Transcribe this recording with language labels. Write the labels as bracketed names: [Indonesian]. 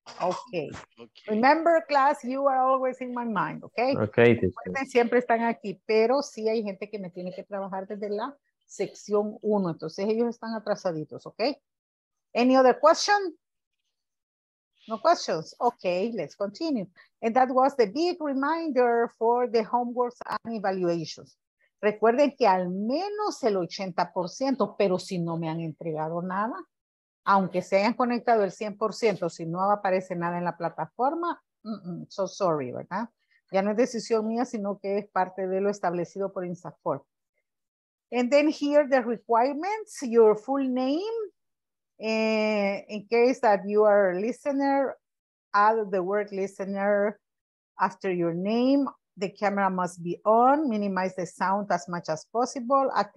[English] Okay. Remember, class, you are always in my mind, ¿okay? Okay. [Spanish] Recuerden, siempre están aquí, pero sí hay gente que me tiene que trabajar desde la sección 1, entonces ellos están atrasaditos, ¿okay? [English] Any other question? No questions. Okay, let's continue. And that was the big reminder for the homeworks and evaluations. [Spanish] Recuerden que al menos el 80%, pero si no me han entregado nada, aunque se hayan conectado el 100%, si no aparece nada en la plataforma, [English] so sorry, [Spanish] ¿verdad? Ya no es decisión mía, sino que es parte de lo establecido por INSAFOR. [English] And then here the requirements, your full name, in case that you are a listener, add the word listener after your name. The camera must be on, minimize the sound as much as possible.